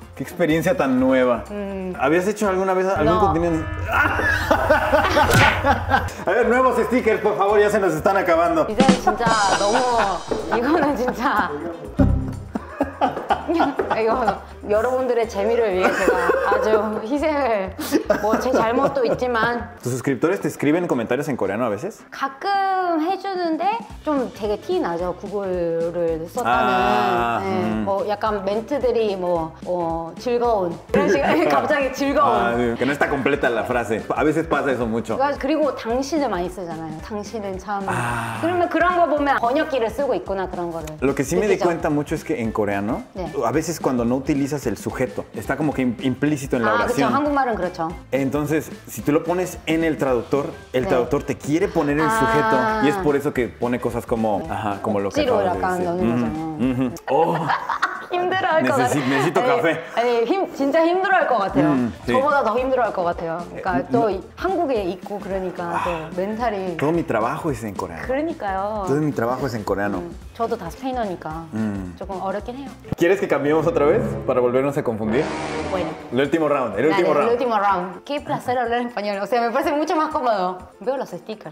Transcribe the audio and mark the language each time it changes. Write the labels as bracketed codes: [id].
[es] Qué experiencia tan nueva. ¿Habías hecho alguna vez algún no. continente? A ver, nuevos stickers, por favor, ya se nos están acabando. [ko] Ya, 진짜 너무 이거는 진짜 이거 여러분들의 재미를 위해 제가 아주 희생을 뭐 제 잘못도 있지만 [es] tus suscriptores te escriben comentarios en coreano a veces? [ko] 가끔 해주는데 좀 되게 티 나죠 구글을 썼다는 아, 네. 뭐 약간 멘트들이 뭐 즐거운 그런 식으로 갑자기 즐거운 [es] que no está completa la frase a veces pasa eso mucho [ko] 그리고 당신을 많이 쓰잖아요 당신은 참 아. 그러면 그런 거 보면 번역기를 쓰고 있구나 그런 거를 [es] lo que sí me di cuenta mucho es que en coreano 네. a veces cuando no utilizas el sujeto está como que implícito en la oración [ko] 그쵸, 한국말은 그렇죠 [es] entonces si tú lo pones en el traductor el 네. traductor te quiere poner el 아. sujeto y es por eso que pone cosas como 네. ajá, como lo que acabas de decir [ko] 억지로 약간 넣는 거잖아 힘들어 할 것 같아 [es] necesito café [ko] 아니, 진짜 힘들어 할 것 같아요 sí. 저보다 더 힘들어 할 것 같아요 그러니까 또 한국에 있고 그러니까 또 멘탈이 [es] todo mi trabajo es en coreano [ko] 그러니까요 [es] todo mi trabajo es en coreano [ko] 저도 다 스페인어니까 조금 어렵긴 해요 [es] ¿Quieres que cambiemos otra vez? Para volvernos a confundir Bueno El último round El último round El último round Qué placer hablar español O sea, me parece mucho más cómodo Veo los stickers